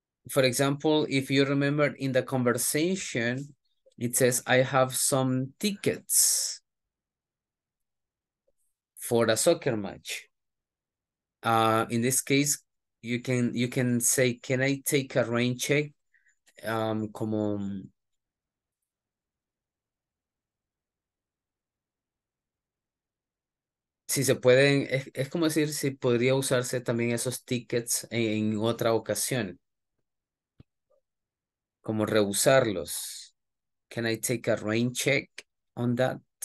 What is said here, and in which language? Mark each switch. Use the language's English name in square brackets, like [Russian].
[English] For example, if you remember in the conversation, it says, I have some tickets for a soccer match. In this case, you can say, can I take a rain check? [Spanish] Como si se pueden, es como decir si podría usarse también esos tickets en otra ocasión. Como rehusarlos. [English] Can I take a rain check on that?